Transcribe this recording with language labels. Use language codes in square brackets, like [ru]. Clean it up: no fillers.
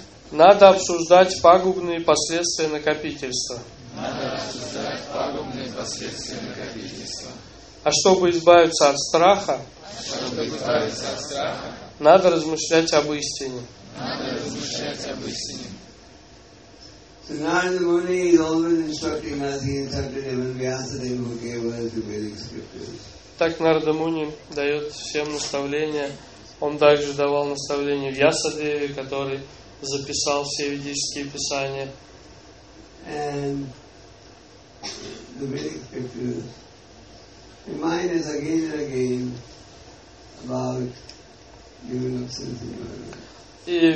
[ru] надо обсуждать пагубные последствия накопительства. А чтобы избавиться от страха, надо размышлять об истине. [en] So Narada Muni is always instructing us, he instructed him, and Vyasa Deva who gave us the Vedic scriptures. [ru] Так Нарада Муни дает всем наставления. Он также давал наставления Вьяса Деве, который записал все ведические писания. [en] And the Vedic scriptures remind us again and again about giving up sensual